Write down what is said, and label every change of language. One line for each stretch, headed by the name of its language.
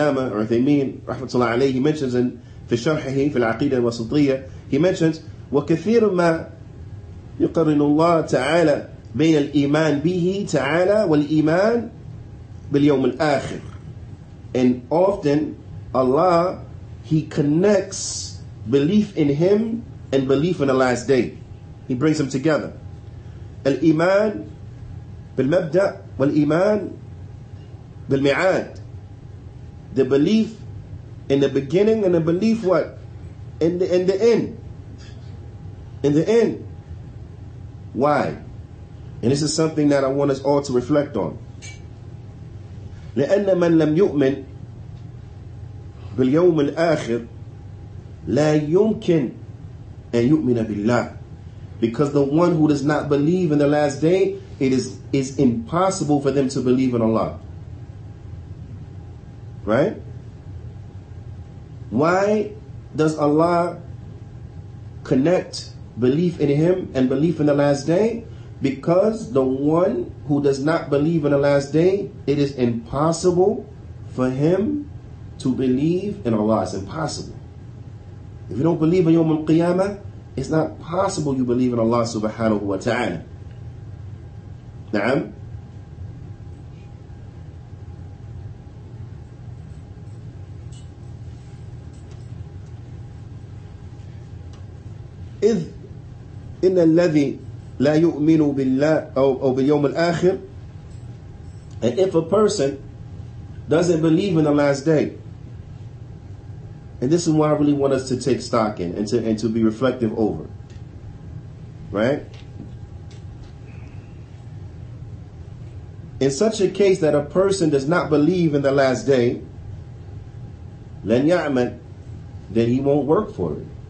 Arabic: Uthaymeen rahmatullah alayhi,
English: he mentions in
Arabic: fi sharhihi fi al-Aqeedah al-Wasitiyah,
English: he mentions,
Arabic: وكثير ما يقرن الله تعالى بين الإيمان به تعالى والإيمان باليوم الآخر.
English: And often Allah, he connects belief in him and belief in the last day. He brings them together.
Arabic: الإيمان بالمبدأ والإيمان بالمعاد.
English: The belief in the beginning and the belief what? In the end. In the end. Why? And this is something that I want us all to reflect on.
Arabic: لأن من لم يؤمن باليوم الآخر لا يمكن أن يؤمن بالله.
English: Because the one who does not believe in the last day, it is impossible for them to believe in Allah. Right? Why does Allah connect belief in Him and belief in the last day? Because the one who does not believe in the last day, it is impossible for him to believe in Allah. It's impossible. If you don't believe in Yawm al-Qiyamah, it's not possible you believe in Allah subhanahu wa ta'ala.
Arabic: Na'am? إذ إن الذي لا يؤمن بالله أو باليوم الآخر.
English: And if a person doesn't believe in the last day, and this is what I really want us to take stock in and to be reflective over, right? In such a case that a person does not believe in the last day,
Arabic: لن يعمل,
English: then he won't work for it.